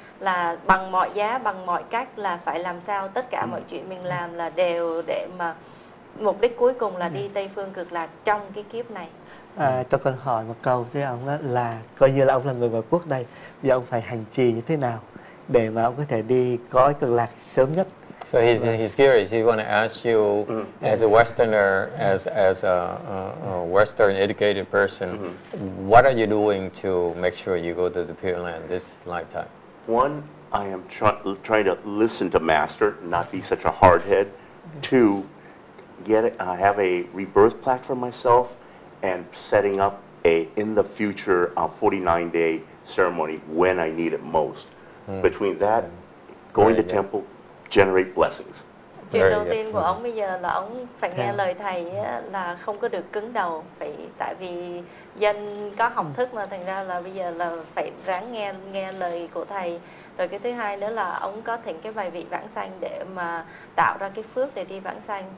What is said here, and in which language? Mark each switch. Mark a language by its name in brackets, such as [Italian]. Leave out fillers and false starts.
[Vietnamese] là bằng mọi giá, bằng mọi cách là phải làm sao tất cả mọi chuyện mình làm là đều để mà mục đích cuối cùng là đi Tây Phương Cực Lạc trong cái kiếp này. Tôi còn hỏi một câu với ông đó là coi như là ông là người ngoại quốc đây, giờ ông phải hành trì như thế nào để mà ông có thể đi gói cực lạc sớm nhất? [English] So he's curious. He want to ask you, as a Westerner, as a Western educated person, what are you doing to make sure you go to the Pure Land this lifetime? One, I am trying to listen to Master, not be such a hard head. Two, have a rebirth plaque for myself, and setting up a in the future 49-day ceremony when I need it most. Between that, going to temple, generate blessings. [Vietnamese] Chuyện đầu tiên của ông bây giờ là ông phải nghe lời thầy á, là không có được cứng đầu, phải tại vì dân có học thức mà, thành ra là bây giờ là phải ráng nghe lời của thầy. Rồi cái thứ hai nữa là ông có thỉnh cái bài vị vãng sanh để mà tạo ra cái phước để đi vãng sanh.